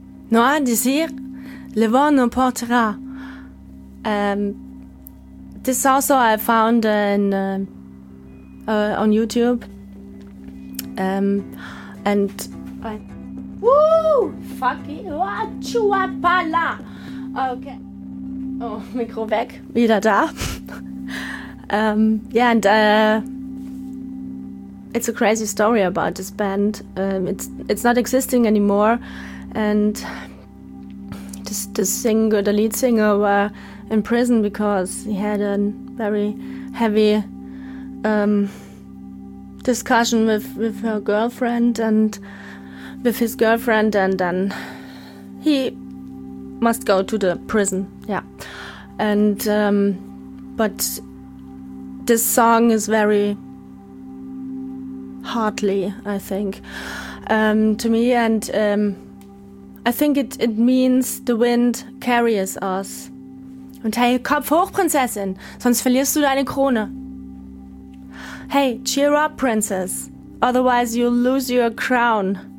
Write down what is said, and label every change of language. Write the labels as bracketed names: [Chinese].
[French] Non, à désir, le vent nous portera. [English] This also I found on YouTube. And I... Woo! Fuck you! [French] Ah, tu es pas là! [German] Okay. Oh, Mikro weg. Wieder da. yeah, and... [English] it's a crazy story about this band. It's not existing anymore. And... The lead singer were in prison because he had a very heavy discussion with her girlfriend and with his girlfriend, and then he must go to the prison. Yeah, and but this song is very heartly, I think, to me, and I think it means the wind carries us. [German] Und hey, Kopf hoch, Prinzessin, sonst verlierst du deine Krone. [English] Hey, cheer up, Princess, otherwise you'll lose your crown.